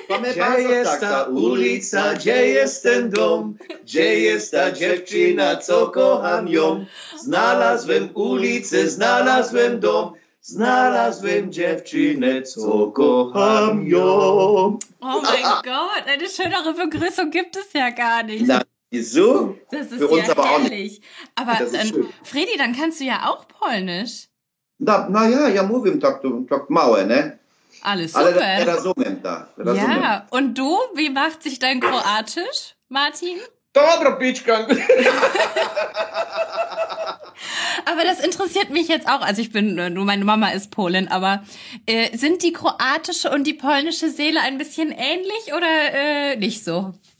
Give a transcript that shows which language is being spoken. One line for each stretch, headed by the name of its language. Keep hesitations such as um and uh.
Polish: Gdzie jest ta ulica, gdzie jest ten dom, gdzie jest ta dziewczyna, co kocham ją? Znalazłem ulicę, znalazłem dom, znalazłem dziewczynę, co kocham ją.
German: Oh mein Gott, eine schönere Begrüßung gibt es ja gar nicht. Na. Wieso? Das ist Für uns ja aber herrlich. Auch nicht. Aber dann, Fredi, dann kannst du ja auch Polnisch.
Polish: Da, na ja, ja mówię tak, tak małe, ne?
German: Alles super.
Polish: Ale rozumiem, da. Rozumiem.
German: Ja, und du, wie macht sich dein Kroatisch, Martin?
Croatian: Dobro, Pitschkan.
German: Aber das interessiert mich jetzt auch. Also ich bin, nur meine Mama ist Polin, aber äh, sind die kroatische und die polnische Seele ein bisschen ähnlich oder äh, nicht so?